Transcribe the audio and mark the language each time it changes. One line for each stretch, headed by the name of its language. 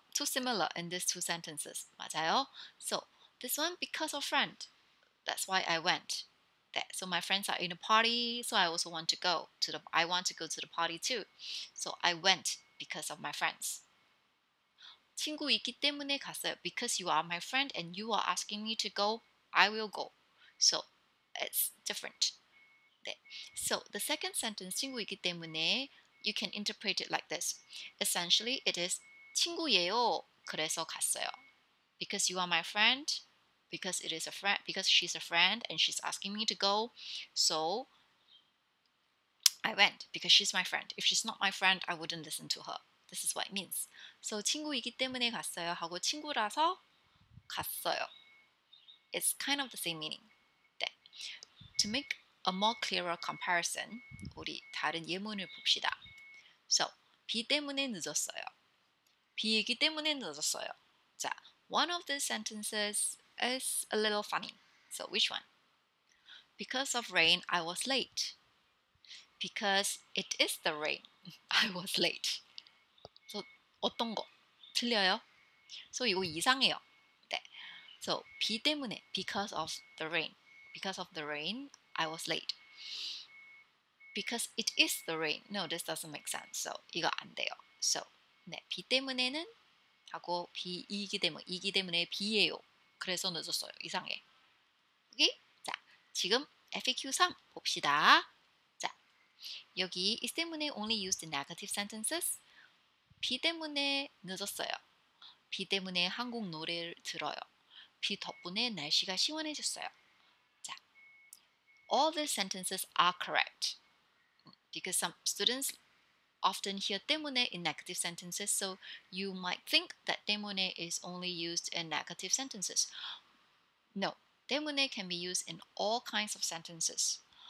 English: Too similar in these two sentences.
Korean: 맞아요?
English: So this one because of friend. That's why I went. That. So my friends are in a party, so I also want to go to the I want to go to the party too. So I went because of my friends.
Korean: 친구 있기 때문에 갔어요.
English: Because you are my friend and you are asking me to go, I will go. So it's different.
Korean: 네.
English: So the second sentence
Korean: 친구 있기 때문에
English: you can interpret it like this. Essentially, it is
Korean: 친구예요. 그래서 갔어요.
English: Because you are my friend. Because it is a friend, because she's a friend and she's asking me to go, so I went because she's my friend. If she's not my friend, I wouldn't listen to her. This is what it means.
Korean: So 친구이기 때문에 갔어요 하고 친구라서 갔어요.
English: It's kind of the same meaning.
Korean: 네.
English: To make a more clearer comparison,
Korean: 우리 다른 예문을 봅시다. So, B 때문에 늦었어요. B이기 때문에 늦었어요.
English: 자, one of the sentences is a little funny. So which one? Because of rain, I was late. Because it is the rain, I was late.
Korean: So 어떤 거? 틀려요? So 이거 이상해요. 네.
English: So
Korean: 비 때문에,
English: because of the rain. Because of the rain, I was late. Because it is the rain. No, this doesn't make sense. So
Korean: 이거 안 돼요. So 네, 비 때문에는 하고 비이기 때문에, 이기 때문에 비예요. 그래서 늦었어요. 이상해. 오케이? 자, 지금 FAQ상 봅시다. 자, 여기
English: 이 때문에 only use the negative sentences.
Korean: 비 때문에 늦었어요. 비 때문에 한국 노래를 들어요. 비 덕분에 날씨가 시원해졌어요. 자,
English: all the sentences are correct. Because some students often hear 때문에 in negative sentences, so you might think that 때문에 is only used in negative sentences. No, 때문에 can be used in all kinds of sentences.